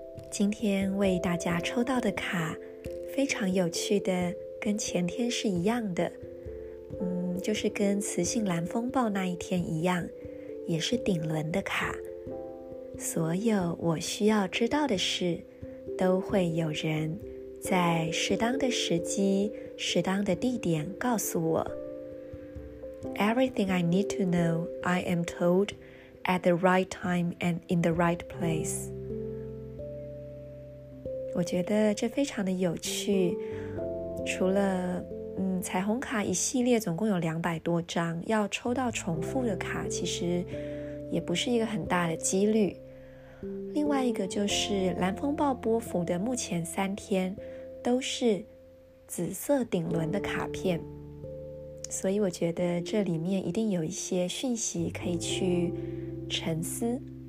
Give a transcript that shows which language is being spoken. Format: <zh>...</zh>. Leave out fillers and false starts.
<zh>今天为大家抽到的卡非常有趣的，跟前天是一样的，就是跟雌性蓝风暴那一天一样，也是顶轮的卡。所有我需要知道的事，都会有人在适当的时机、适当的地点告诉我。</zh> <en>Everything I need to know, I am told at the right time and in the right place.</en> <zh>我觉得这非常的有趣。除了彩虹卡一系列总共有200多张，要抽到重复的卡其实也不是一个很大的几率。另外一个就是蓝风暴波幅的目前3天都是紫色顶轮的卡片，所以我觉得这里面一定有一些讯息可以去沉思。</zh>